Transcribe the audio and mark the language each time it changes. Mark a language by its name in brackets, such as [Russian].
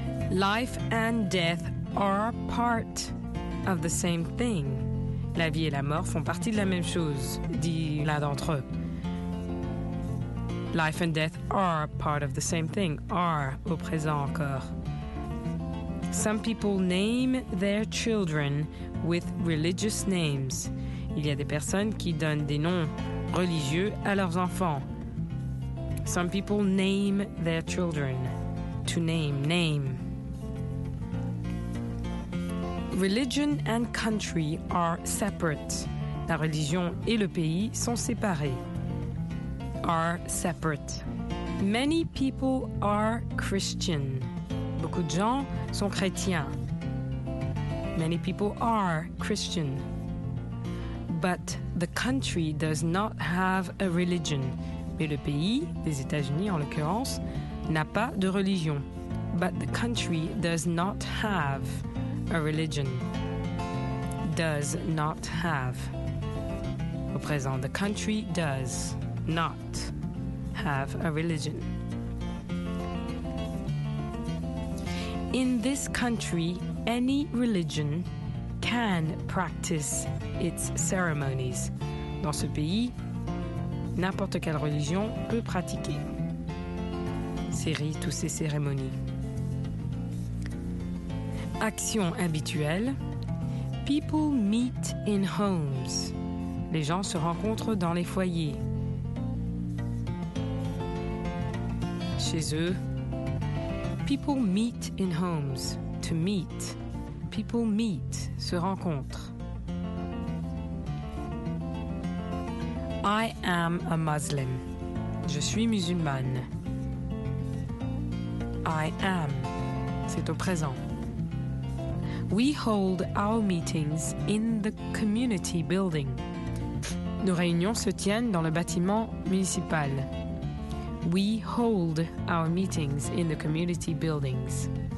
[English] Life and death are part of the same thing. [French] La vie et la mort font partie de la même chose, dit l'un d'entre eux. [English] Life and death are part of the same thing, are [French] au présent encore. [English] Some people name their children with religious names. [French] Il y a des personnes qui donnent des noms religieux à leurs enfants. [English] Some people name their children. To name, name. Religion and country are separate. [French] La religion et le pays sont séparés. [English] Are separate. Many people are Christian. [French] Beaucoup de gens sont chrétiens. [English] Many people are Christian. But the country does not have a religion. [French] Mais le pays, les États-Unis en l'occurrence, n'a pas de religion. [English] But the country does not have a religion. Does not have. [French] Au présent, [English] the country does not have a religion. In this country, any religion can practice its ceremonies. [French] Dans ce pays, n'importe quelle religion peut pratiquer. Série, toutes ces cérémonies. Action habituelle. [English] People meet in homes. [French] Les gens se rencontrent dans les foyers. Chez eux. [English] People meet in homes. To meet. People meet. [French] Se rencontrent. [English] I am a Muslim. [French] Je suis musulmane. [English] I am. [French] C'est au présent. [English] We hold our meetings in the community building. [French] Nos réunions se tiennent dans le bâtiment municipal. [English] We hold our meetings in the community buildings.